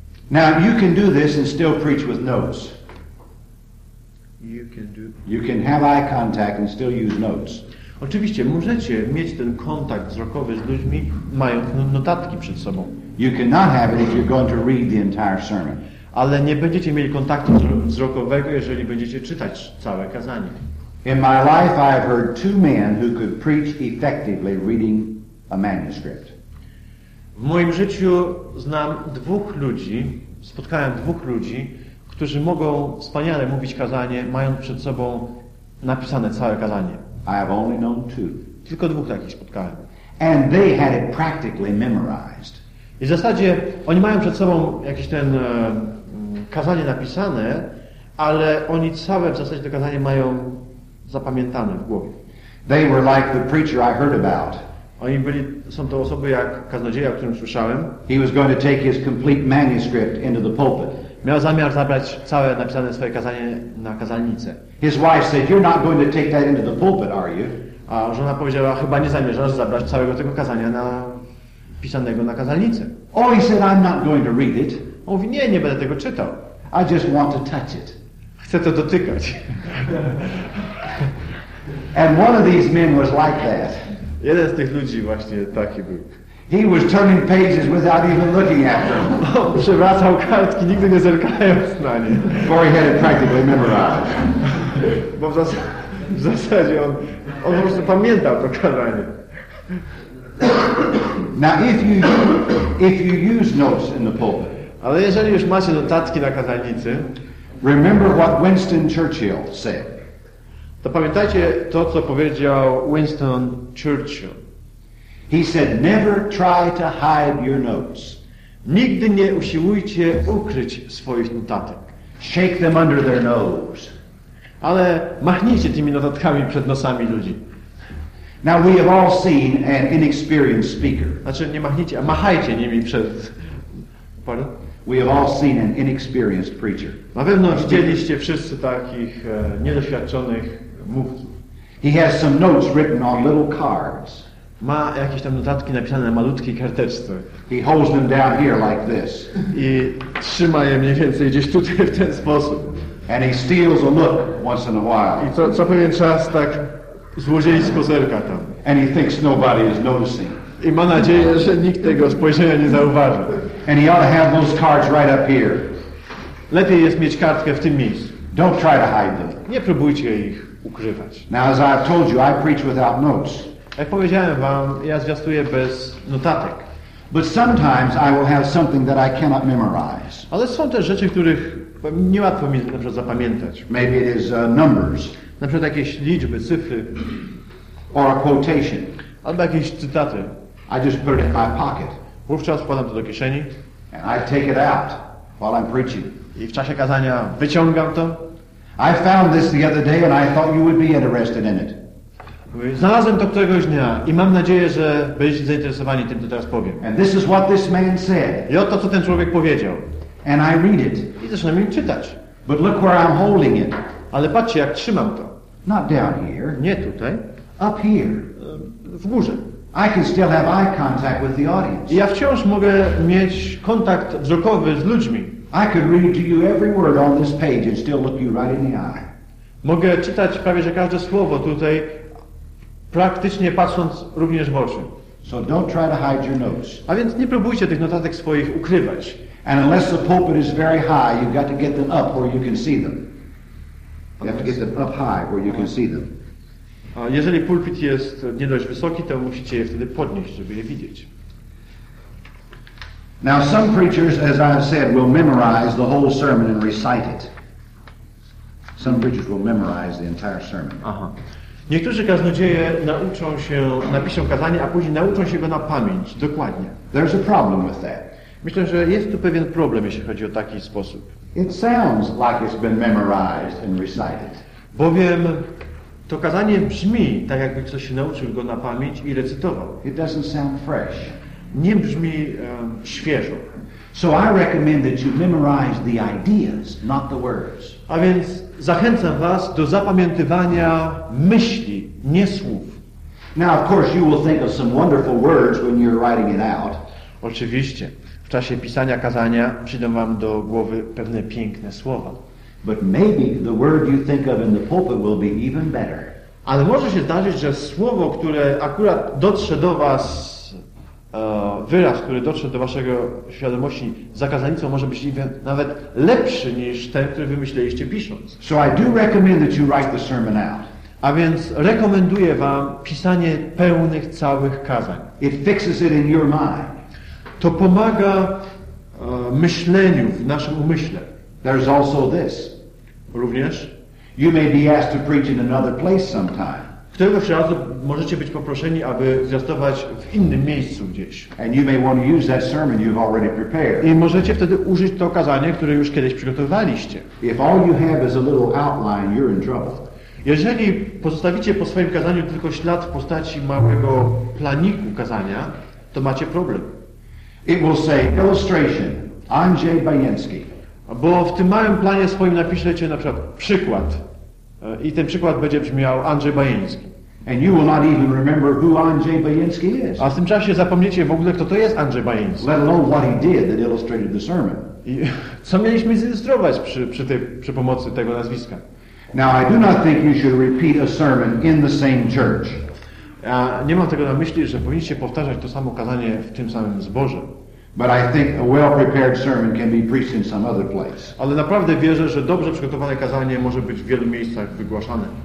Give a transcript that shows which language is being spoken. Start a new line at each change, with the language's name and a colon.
English: Now you can do this and still preach with notes. You can have eye contact and still use notes.
Polish: Oczywiście możecie mieć ten kontakt wzrokowy z ludźmi, mając notatki przed sobą.
English: You cannot have it if you're going to read the entire sermon.
Polish: Ale nie będziecie mieli kontaktu wzrokowego, jeżeli będziecie czytać całe kazanie.
English: In my life I've heard two men who could preach effectively reading a manuscript.
Polish: W moim życiu znam dwóch ludzi, spotkałem dwóch ludzi, którzy mogą wspaniale mówić kazanie, mając przed sobą napisane całe kazanie.
English: I have only known two.
Polish: Tylko dwóch takich spotkałem.
English: And they had it practically memorized.
Polish: I w zasadzie oni mają przed sobą jakieś ten kazanie napisane, ale oni całe w zasadzie to kazanie mają zapamiętane w głowie.
English: They were like the preacher I heard about.
Polish: Oni byli, są to osoby jak kaznodzieja, o którym słyszałem.
English: He was going to take his complete manuscript into the pulpit.
Polish: Miał zamiar zabrać całe napisane swoje kazanie na kazalnicę.
English: His wife said, "You're not going to take that into the pulpit, are you?"
Polish: A żona powiedziała, chyba nie zamierzasz zabrać całego tego kazania na pisanego na kazalnicę.
English: Oh, he said, "I'm not going to read it."
Polish: On mówi, nie, nie będę tego czytał.
English: I just want to touch it.
Polish: Chcę to dotykać.
English: And one of these men was like that.
Polish: Jeden z tych ludzi właśnie taki był.
English: He was turning pages without even looking at them.
Polish: Przewracał kartki, nigdy nie zerkając na nie.
English: Before he had it practically memorized.
Polish: Bo w zasadzie on po prostu pamiętał to kazanie.
English: Now if you use notes in the pulpit.
Polish: Ale jeżeli już macie notatki na kazalnicy.
English: Remember what Winston Churchill said.
Polish: To pamiętajcie to, co powiedział Winston Churchill.
English: He said, "Never try to hide your notes."
Polish: Nigdy nie usiłujcie ukryć swoich notatek.
English: Shake them under their nose.
Polish: Ale machnijcie tymi notatkami przed nosami ludzi.
English: Now we have all seen an inexperienced speaker.
Polish: Znaczy nie machnijcie, a machajcie nimi przed.
English: Pardon? We have all seen an inexperienced preacher.
Polish: Na pewno widzieliście wszyscy takich niedoświadczonych mówców.
English: He has some notes written on little cards.
Polish: Ma jakieś tam notatki napisane na malutkiej karteczce.
English: He holds them down here like this.
Polish: I trzyma je mniej więcej gdzieś tutaj w ten sposób.
English: And he steals a look once in a while.
Polish: I co pewien czas tak złodziejsko zerka tam.
English: And he thinks nobody is noticing.
Polish: I ma nadzieję, że nikt tego spojrzenia nie zauważy.
English: And he ought to have those cards right up here.
Polish: Lepiej jest mieć kartkę w tym miejscu.
English: Don't try to hide them.
Polish: Nie próbujcie ich ukrywać.
English: Now, as I've told you, I preach without notes.
Polish: Jak powiedziałem wam, ja zwiastuję bez notatek.
English: But sometimes I will have something that I cannot memorize.
Polish: Ale są też rzeczy, których niełatwo mi na przykład zapamiętać.
English: Maybe it is numbers.
Polish: Na przykład jakieś liczby, cyfry.
English: Or a quotation.
Polish: Albo jakieś cytaty.
English: I just put it in my pocket.
Polish: Wówczas wkładam to do kieszeni.
English: And I take it out while I'm preaching.
Polish: I w czasie kazania wyciągam to.
English: I found this the other day and I thought you would be interested in it.
Polish: Znalazłem to któregoś dnia i mam nadzieję, że będziecie zainteresowani tym, co teraz powiem.
English: And this is what this man said.
Polish: I oto, co ten człowiek powiedział.
English: And I read it.
Polish: I zacząłem im czytać.
English: But look where I'm holding it.
Polish: Ale patrzcie, jak trzymam to.
English: Not down here.
Polish: Nie tutaj.
English: Up here.
Polish: W górze.
English: I can still have eye contact with the audience.
Polish: Ja wciąż mogę mieć kontakt wzrokowy z ludźmi.
English: I could read to you every word on this page and still look you right in the eye.
Polish: Mogę czytać prawie że każde słowo tutaj, praktycznie patrząc również w oczy.
English: So don't try to hide your notes.
Polish: A więc nie próbujcie tych notatek swoich ukrywać.
English: And unless the pulpit is very high, you've got to get them up where you can see them. You have to get them up high where you can see them.
Polish: A jeżeli pulpit jest nie dość wysoki, to musicie je wtedy podnieść, żeby je widzieć.
English: Now some preachers, as I've said, will memorize the whole sermon and recite it. Some preachers will memorize the entire sermon. Aha.
Polish: Niektórzy kaznodzieje nauczą się, napiszą kazanie, a później nauczą się go na pamięć, dokładnie.
English: There's a problem with that.
Polish: Myślę, że jest tu pewien problem, jeśli chodzi o taki sposób.
English: It sounds like it's been memorized and recited.
Polish: Bowiem to kazanie brzmi tak, jakby ktoś się nauczył go na pamięć i recytował.
English: It doesn't sound fresh.
Polish: Nie brzmi świeżo.
English: So I recommend that you memorize the ideas, not the words.
Polish: A więc zachęcam was do zapamiętywania myśli, nie słów.
English: Now of course you will think of some wonderful words when you're writing it out.
Polish: Oczywiście, w czasie pisania kazania przyjdą wam do głowy pewne piękne słowa.
English: But maybe the word you think of in the pulpit will be even better.
Polish: Ale może się zdarzyć, że słowo, które akurat dotrze do was, wyraz, który dotrze do waszego świadomości za kazanicą, może być nawet lepszy niż ten, który wymyśleliście pisząc.
English: So I do recommend that you write the sermon out.
Polish: A więc rekomenduję wam pisanie pełnych, całych kazań.
English: It fixes it in your mind.
Polish: To pomaga myśleniu w naszym umyśle.
English: There's also this.
Polish: Również.
English: You may be asked to preach in another place sometime.
Polish: Któregoś razu możecie być poproszeni, aby zwiastować w innym miejscu gdzieś.
English: And you may want to use that sermon you've already prepared.
Polish: I możecie wtedy użyć to kazanie, które już kiedyś przygotowaliście.
English: If all you have is a little outline, you're in trouble.
Polish: Jeżeli pozostawicie po swoim kazaniu tylko ślad w postaci małego planiku kazania, to macie problem.
English: It will say illustration, Andrzej Bajenski.
Polish: Bo w tym małym planie swoim napiszecie na przykład przykład. I ten przykład będzie brzmiał Andrzej Bajeński.
English: And you will not even remember who Andrzej Bajeński is.
Polish: A w tym czasie zapomniecie w ogóle, kto to jest Andrzej Bajeński.
English: Let alone what he did that illustrated the sermon.
Polish: I co mieliśmy zilustrować przy pomocy tego nazwiska?
English: Now I do not think you should repeat a sermon in the same church.
Polish: A nie mam tego na myśli, że powinniście powtarzać to samo kazanie w tym samym zborze.
English: But I think a well-prepared sermon can be preached in some other place.
Polish: Ale naprawdę wierzę, że dobrze przygotowane kazanie może być w wielu miejscach wygłaszane.